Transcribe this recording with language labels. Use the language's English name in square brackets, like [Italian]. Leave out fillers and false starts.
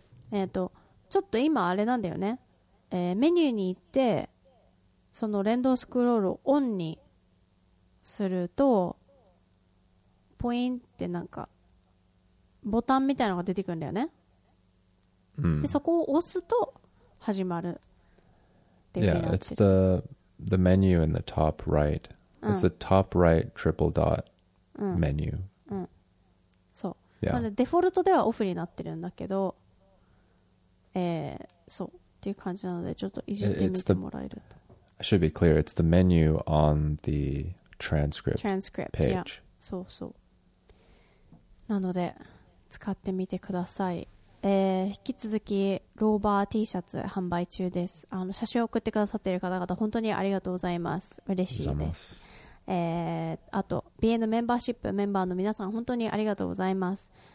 [Japanese] ちょっと今あれなんだよね、メニューに行ってその連動スクロールをオンにするとポインってなんかボタンみたいなのが出てくるんだよね、うん、でそこを押すと始まるっていう。 [English] Yeah, it's the menu in the top right. It's the top right triple dot menu. [Japanese] うん、うん、そう、 [English] yeah. [Japanese] なのでデフォルトではオフになってるんだけど、そうっていう感じなのでちょっといじってみてもらえると。 [English] I should be clear, it's the menu on theTranscript page. Yeah, [Japanese] そうそう。なので使ってみてください。引き続きローバー T シャツ販売中です。あの写真を送ってくださっている方々本当にありがとうございます。嬉しいです。あと BN メンバーシップメンバーの皆さん本当にありがとうございます。